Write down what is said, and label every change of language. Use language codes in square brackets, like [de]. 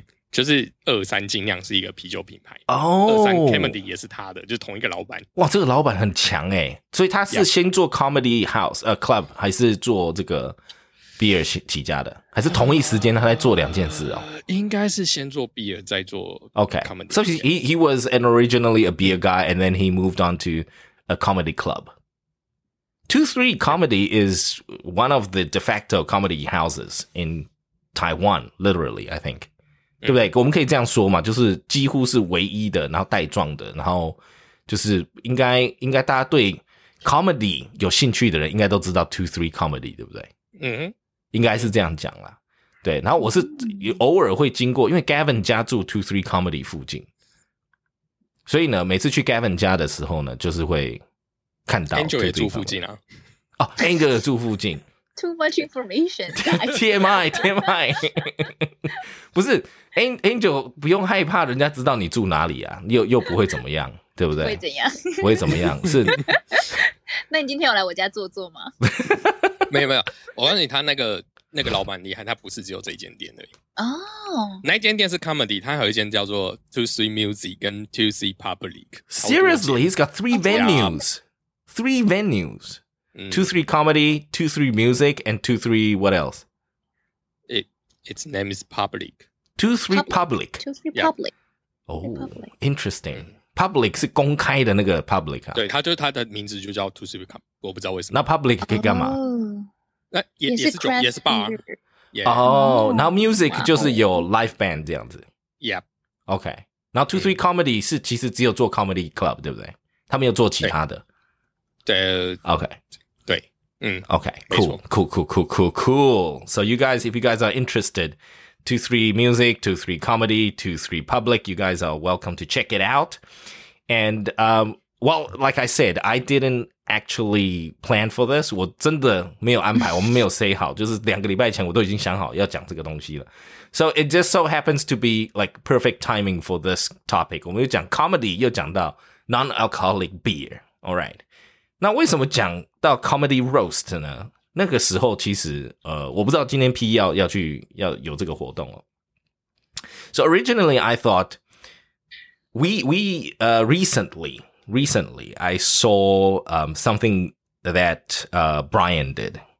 [zh] 就是二三精酿是一个啤酒品牌哦，二三 Comedy 也是他的，就同一个老板。哇，这个老板很强欸，所以他是先做 Comedy House、yeah. Club 还是做这个 Beer 起家的，还是同一时间他在做两件事哦？应该是先做 Beer 再做 [en] Comedy Okay. So he was an originally a beer guy and then he moved on to a comedy club. 2-3 Comedy is one of the de facto comedy houses in Taiwan, literally, I think. [zh] 对不对？我们可以这样说嘛，就是几乎是唯一的，然后带状的，然后就是应该大家对 comedy 有兴趣的人，应该都知道 Two Three Comedy， 对不对？嗯，应该是这样讲啦。对，然后我是偶尔会经过，因为 Gavin 家住 Two Three Comedy 附近，所以呢，每次去 Gavin 家的时候呢，就是会看到 Angel 也住附近啊。哦 ，Angel 也住附近。 [en] Too much information, guys. TMI. [zh] 不是 Angel 不用害怕人家知道你住哪里啊，又不会怎么样，对不对？会怎样？不会怎么样？是。那你今天有来我家坐坐吗？没有没有，我告诉你，他那个老板厉害，他不是只有这一间店而已。哦、oh. ，那一间店是 Comedy， 他有一间叫做 Two Three Music 跟 Two Three Public。 [en] Seriously, he's got three venues.、Yeah. Three venues. Two Three Comedy, Two Three Music, and Two Three what else? Its name is Public. Two Three Public. Two Three Public. Oh, public. Interesting. [zh] Public 是公开的那个 Public 啊。对，他就他的名字就叫 Two Three Comedy， 我不知道为什么。那 Public 可以干嘛？那也是酒，也是 bar。哦，然后 Music 就是有 live band 这样子。 [en] Yep. Okay. [zh] 然后 Two Three Comedy 是其实只有做 Comedy Club， 对不对？他没有做其他的。OK, 对，嗯 [en] ，OK, cool, cool, cool, cool, cool, cool. So you guys, if you guys are interested, Two Three Music, Two Three Comedy, Two Three Public, you guys are welcome to check it out. And well, like I said, I didn't actually plan for this， [zh] 我真的没有安排，我们没有 say 好，就是两个礼拜前我都已经想好要讲这个东西了。 [en] So it just so happens to be like perfect timing for this topic。 [zh] 我们又讲 comedy， 又讲到 non-alcoholic beer。 [en] All right， [zh] 那为什么讲到 comedy roast 呢？那个时候其实我不知道今天 P 要有这个活动了。 [en] So originally I thought recently I saw something that Brian did.